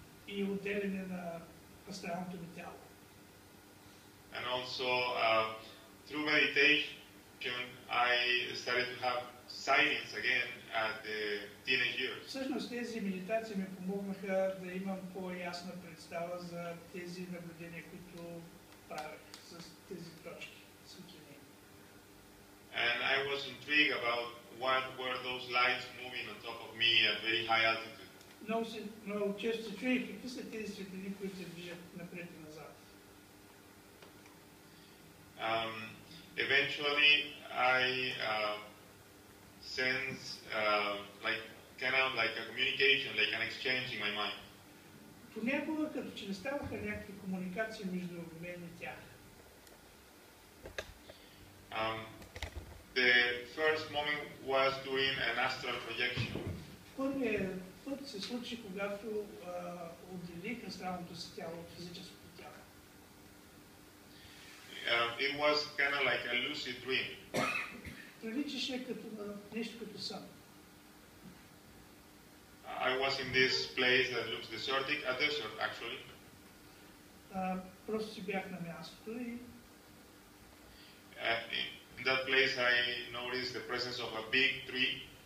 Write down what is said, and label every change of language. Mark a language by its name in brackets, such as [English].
[Bulgarian] И отделяне на астралното ми тяло. [English] And also, through meditation, I started to have sightings again at the teenage years. [Bulgarian] Всъщност тези медитации ми помогнаха да имам по-ясна представа за тези наблюдения, които правих с тези точки. [English] And I was intrigued about what were those lights moving on top of me at very high altitude. [Bulgarian] Много често се чудих какви са тези светлини, които се движат напред и назад. [English] Eventually, I sense like kind of like a communication, like an exchange in my mind. [Bulgarian] Понякога, като че не ставаха някакви комуникации между мен и тях. [English] The first first moment was doing an astral projection. Quando todos esses outros psicografos ou delírios eram do céu, fizeram isso para o It was kind of like a lucid dream. I was in this place that looks deserted, a desert actually. In that place I noticed the presence of a big tree.